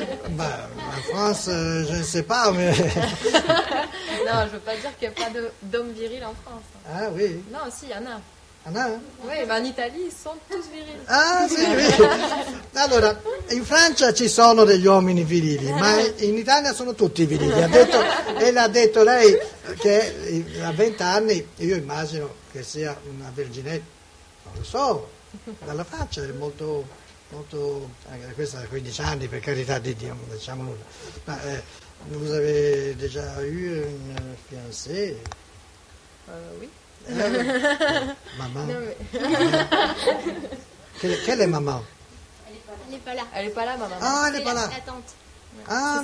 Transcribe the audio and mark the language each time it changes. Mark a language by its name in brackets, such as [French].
[French] Bah, en France, je ne sais pas, mais. Non, je ne veux pas dire qu'il n'y a pas d'hommes virils en France. Ah oui. Non, si, il y en a. Ah, non. [Italian] Oui, ma in Italia sono tutti virili. Ah, sì, sì. Allora, in Francia ci sono degli uomini virili, ma in Italia sono tutti virili. L'ha detto lei che a 20 anni, io immagino che sia una verginetta, non lo so. Dalla faccia è molto, molto, anche questa da 15 anni, per carità di Dio, non diciamo nulla. [French] Ma vous avez déjà eu un fiancé? Oui. Maman. Non, mais... quelle est maman? Elle n'est pas là, maman. Ah, elle n'est pas là. C'est la tante. Ah,